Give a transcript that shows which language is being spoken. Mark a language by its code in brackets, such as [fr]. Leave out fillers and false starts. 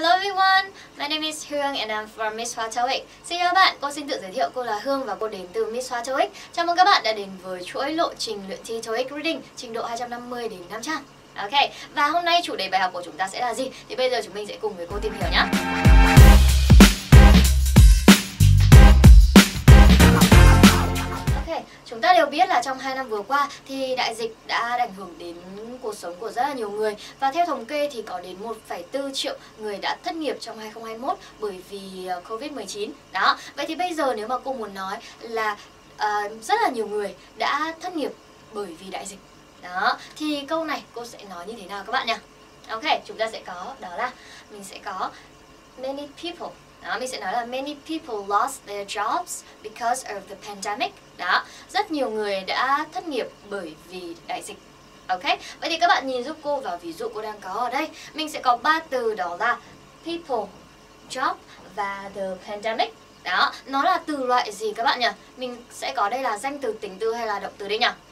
[en] everyone, my name is Hương and I'm from Miss Hoa Châu Ích. [vi] Xin chào bạn, cô xin tự giới thiệu, cô là Hương và cô đến từ Miss Hoa Châu Ích. Chào mừng các bạn đã đến với chuỗi lộ trình luyện thi TOEIC Reading trình độ 250 đến 500. Ok, và hôm nay chủ đề bài học của chúng ta sẽ là gì? Thì bây giờ chúng mình sẽ cùng với cô tìm hiểu nhé. Chúng ta đều biết là trong 2 năm vừa qua thì đại dịch đã ảnh hưởng đến cuộc sống của rất là nhiều người. Và theo thống kê thì có đến 1,4 triệu người đã thất nghiệp trong 2021 bởi vì Covid-19. Đó, vậy thì bây giờ nếu mà cô muốn nói là rất là nhiều người đã thất nghiệp bởi vì đại dịch. Đó, thì câu này cô sẽ nói như thế nào các bạn nhỉ? Ok, chúng ta sẽ có, đó là mình sẽ có [en] many people. [vi] Đó, mình sẽ nói là [en] many people lost their jobs because of the pandemic. [vi] Đó, rất nhiều người đã thất nghiệp bởi vì đại dịch. Ok, vậy thì các bạn nhìn giúp cô vào ví dụ cô đang có ở đây. Mình sẽ có 3 từ, đó là people, job và the pandemic. Đó, nó là từ loại gì các bạn nhỉ? Mình sẽ có đây là danh từ, tính từ hay là động từ đây nhỉ?